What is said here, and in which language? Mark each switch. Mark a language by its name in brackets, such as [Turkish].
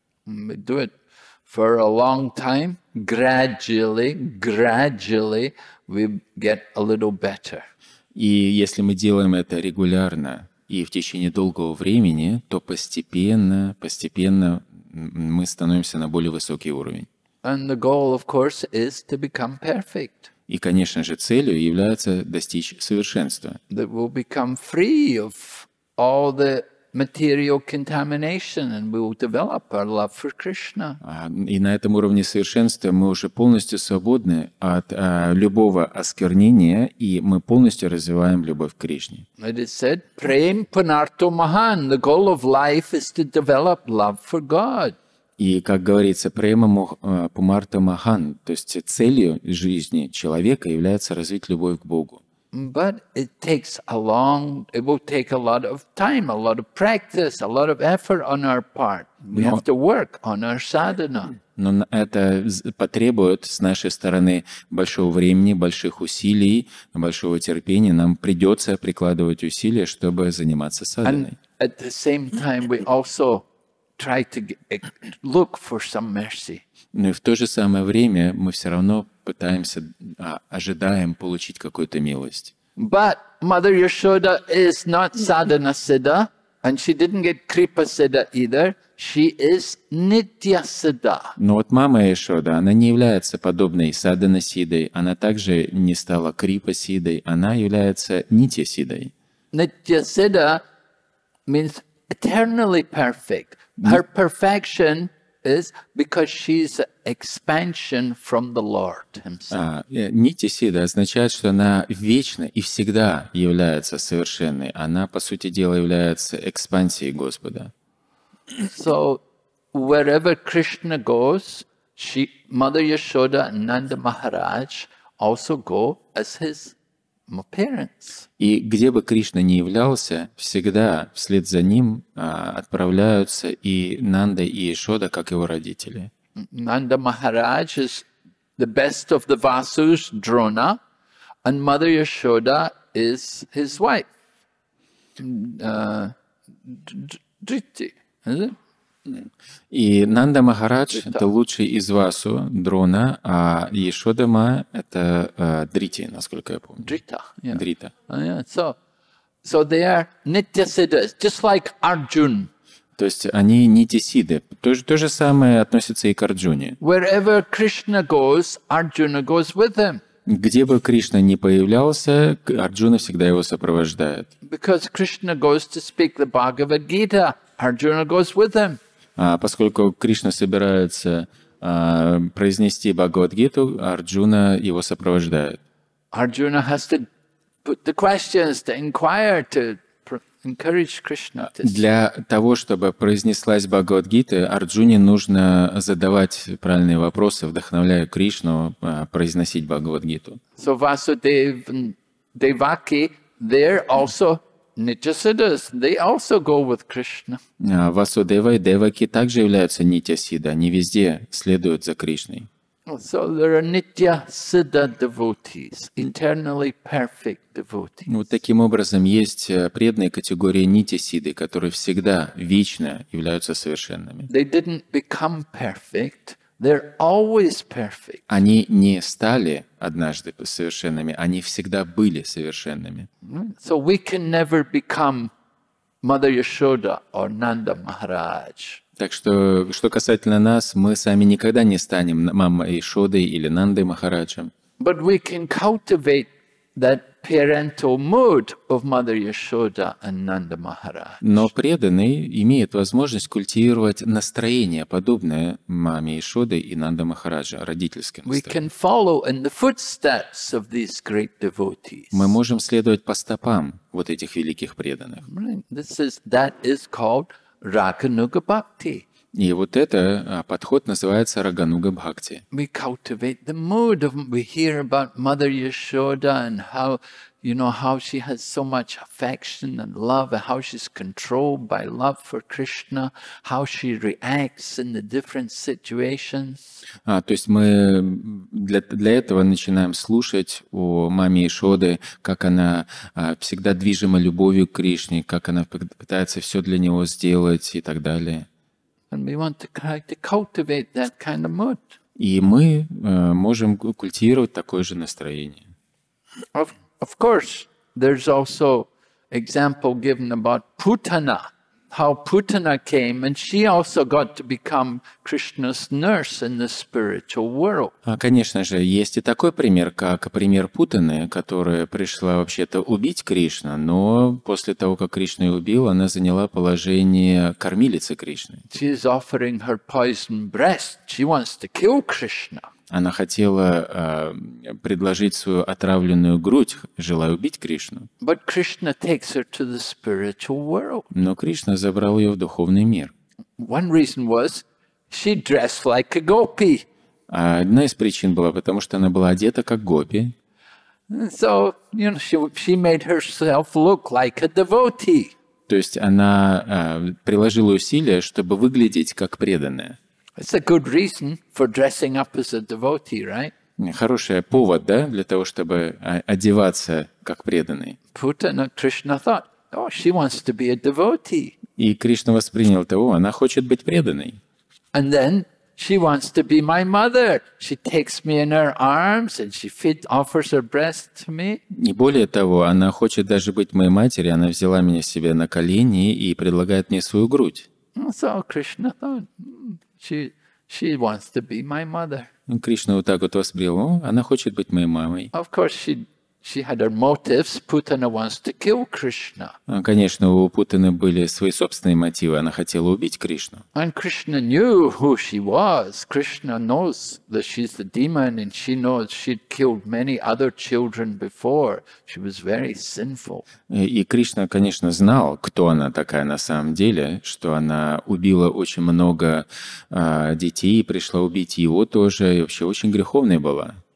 [English] We do it for a long time, gradually. We get a little better. [Russian] И если мы делаем это регулярно и в течение долгого времени, то постепенно мы становимся на более высокий уровень. [English] And the goal, of course, is to become perfect. [Russian] И, конечно же, целью является достичь совершенства. [English] That we'll become free of all the material contamination and we will develop our love for Krishna. [Russian] И на этом уровне совершенства мы уже полностью свободны от любого осквернения и мы полностью развиваем любовь к Кришне. [English] It is said, [Sanskrit] "Prem punarto mahan." [English] The goal of life is to develop love for God. [Russian] И как говорится, [Sanskrit] "Prem punarto mahan," [Russian] то есть целью жизни человека является развить любовь к Богу. [English] But it will take a lot of time, a lot of practice, a lot of effort on our part. We have to work on our sadhana. [Russian] Но это потребует с нашей стороны большого времени, больших усилий, большого терпения. Нам придется прикладывать усилия, чтобы заниматься садханой. [English] And at the same time, we also try to look for some mercy. [Russian] Но и в то же самое время мы все равно пытаемся, ожидаем получить какую-то милость. [English] But Mother Yashoda is not sadhana siddha, and she didn't get kripa siddha either. She is nitya siddha. [Russian] Но вот мама Яшода, она не является подобной садхана сиддой, она также не стала крипа сиддой, она является нитья сиддой. [English] Nitya siddha means eternally perfect. Her perfection is because she's expansion from the Lord himself. [Russian] Нити Сида означает, что она вечно и всегда является совершенной. Она, по сути дела, является экспансией Господа. [English] So, wherever Krishna goes, she, Mother Yashoda and Nanda Maharaj also go as his parents. [Russian] И где бы Кришна ни являлся, всегда вслед за ним отправляются и Нанда, и Яшода, как его родители. [English] Nanda Maharaj is the best of the Vasus, Drona, and Mother Yashoda is his wife, Dhriti, is it? [Russian] И Нанда Махарадж — это лучший из Васу, Дрона, а Яшода Ма — это Дрити, насколько я помню. Дрита. Yeah. Дрита. [English] So they are Nityasiddhas, just like Arjun. [Russian] То есть они Нитисиды. То же самое относится и к Арджуне. [English] Wherever Krishna goes, Arjuna goes with him. [Russian] Где бы Кришна ни появлялся, Арджуна всегда его сопровождает. [English] Because Krishna goes to speak the Bhagavad Gita. Arjuna goes with him. [Russian] Поскольку Кришна собирается произнести Бхагавад-гиту, Арджуна его сопровождает. [English] Arjuna has to put the questions, to inquire, to encourage Krishna. [Russian] Для того, чтобы произнеслась Бхагавад-гита, Арджуне нужно задавать правильные вопросы, вдохновляя Кришну произносить Бхагавад-гиту. [English] So Vasudev and Devaki, they're also Nityasiddhas, they also go with Krishna. [Russian] Васудева и Деваки также являются Нитясида, они везде следуют за Кришной. [English] So there are Nityasiddha devotees, internally perfect devotees. [Russian] Вот таким образом есть преданные категории Нитясиды, которые всегда, вечно являются совершенными. [English] They didn't become perfect, they're always perfect. [Russian] Они не стали однажды совершенными, они всегда были совершенными. [English] So we can never become Mother Yashoda or Nanda Maharaj. [Russian] Так что, что касательно нас, мы сами никогда не станем мамой Яшодой или Нандой Махараджем. [English] But we can cultivate that parental mood of Mother Yashoda and Nanda Maharaj. [Russian] Но преданный имеет возможность культивировать настроение, подобное маме Яшоды и Нанда Махараджа, родительское настроение. [English] We can follow in the footsteps of these great devotees. [Russian] Мы можем следовать по стопам вот этих великих преданных. [English] That is called Рагануга Бхакти. [Russian] И вот это подход называется Рагануга Бхакти. [English] We cultivate the mood of, we hear about Mother Yashoda and how, you know, how she has so much affection and love, and how she's controlled by love for Krishna, how she reacts in the different situations. [Russian] То есть мы для этого начинаем слушать о маме Яшоды, как она всегда движима любовью к Кришне, как она пытается все для него сделать и так далее. [English] And we want to try to cultivate that kind of mood. [Russian] И мы можем культивировать такое же настроение. [English] Of course, there's also example given about Putana, how Putana came, and she also got to become Krishna's nurse in the spiritual world. [Russian] Конечно же, есть и такой пример, как пример Путаны, которая пришла вообще-то убить Кришну, но после того, как Кришну ее убил, она заняла положение кормилицы Кришны. [English] She is offering her poisoned breast. She wants to kill Krishna. [Russian] Она хотела предложить свою отравленную грудь, желая убить Кришну. [English] But Krishna takes her to the spiritual world. [Russian] Но Кришна забрал ее в духовный мир. [English] One reason was she dressed like a gopi. [Russian] Одна из причин была, потому что она была одета как гопи. [English] So, you know, she made herself look like a devotee. [Russian] То есть она приложила усилия, чтобы выглядеть как преданная. [English] It's a good reason for dressing up as a devotee, right? [Russian] Хороший повод, да, для того, чтобы одеваться как преданный. [English] Putana, Krishna thought, oh, she wants to be a devotee. [Russian] И Кришна воспринял того, она хочет быть преданной. [English] And then she wants to be my mother. She takes me in her arms and she offers her breast to me. [Russian] Не более того, она хочет даже быть моей матерью. Она взяла меня себе на колени и предлагает мне свою грудь. [English] So Krishna thought. She wants to be my mother. [Russian] Кришна вот так вот воспринял, она хочет быть моей мамой. [English] Of course, she She had her motives. Путана wants to kill Krishna. [Russian] Конечно, у Путаны были свои собственные мотивы. Она хотела убить Кришну. [English] And Krishna knew who she was. Krishna knows that she's the demon, and she knows she'd killed many other children before. She was very sinful. [Russian] И Кришна, конечно, знал, кто она такая на самом деле, что она убила очень много детей и пришла убить его тоже, и вообще очень греховной была.